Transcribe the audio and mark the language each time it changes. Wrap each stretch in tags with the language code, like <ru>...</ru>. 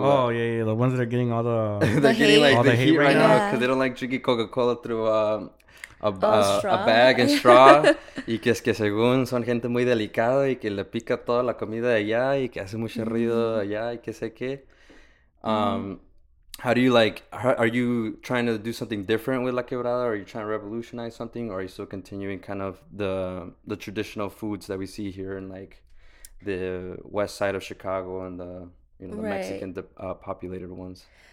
<en>Oh yeah, yeah, the ones that are getting all the they're getting like the hate right now because they don't like drinking Coca-Cola through a bag and straw.</en> <es>Y que es que según son gente muy delicada y que le pica toda la comida allá y que hace mucho ruido allá y que sé qué.</es> <en>How do you like, are you trying to do something different with La Quebrada, or are you trying to revolutionize something, or are you still continuing kind of the traditional foods that we see here in like the west side of Chicago and the, you know, the right. Mexican populated ones?</en>